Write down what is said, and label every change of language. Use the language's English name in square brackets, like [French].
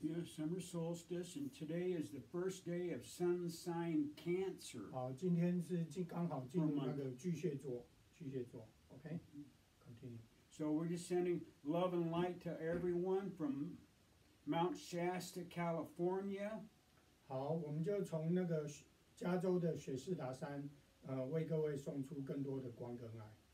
[English] Yeah, summer solstice, and today is the first day of sun sign Cancer. [Chinese] 好，今天是刚好进入那个巨蟹座。 [English] 巨蟹座 ，Okay, continue. So we're just sending love and light to everyone from Mount Shasta, California. [Chinese] 好，我们就从那个加州的雪士达山，为各位送出更多的光跟爱。